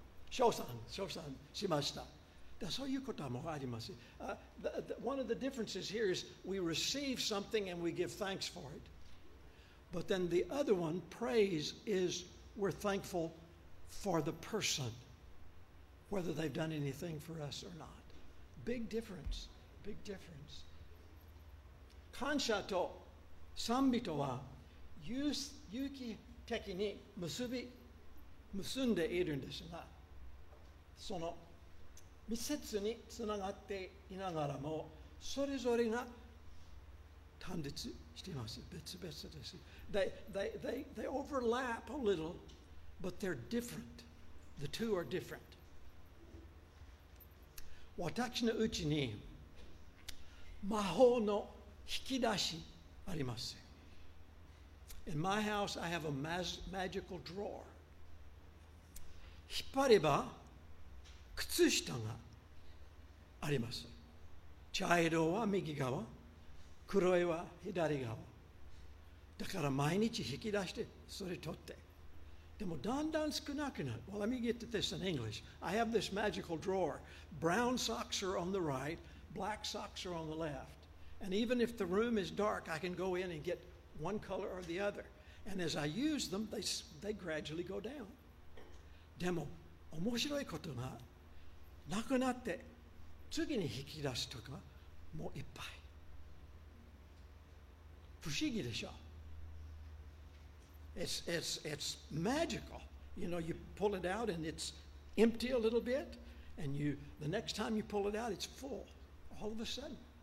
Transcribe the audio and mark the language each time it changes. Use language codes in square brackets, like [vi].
[ja] 称賛、称賛しました。そういうこともあります。 [en] One of the differences here is we receive something and we give thanks for it. But then the other one, praise, is we're thankful for the person, whether they've done anything for us or not. Big difference, big difference. [ja] 感謝と賛美とは有機的に結んでいるんですが、その密接につながっていながらも、それぞれが単立しています。別々です。 [en] They overlap a little, but they're different. The two are different. [ja] 私のうちに魔法の引き出しあります。 In my house, I have a magical drawer. 引っ張れば靴下があります。茶色は右側、黒いは左側。だから毎日引き出してそれ取って。でもだんだん少なくなる。 [en] Well, let me get to this in English. I have this magical drawer. Brown socks are on the right, black socks are on the left. And even if the room is dark, I can go in and get one color or the other. And as I use them, they gradually go down. [ja] でも面白いことがなくなって次に引き出すとかもういっぱい不思議でしょ。 [en] It's magical. You know, you pull it out and it's empty a little bit, and you the next time you pull it out, it's full all of a sudden.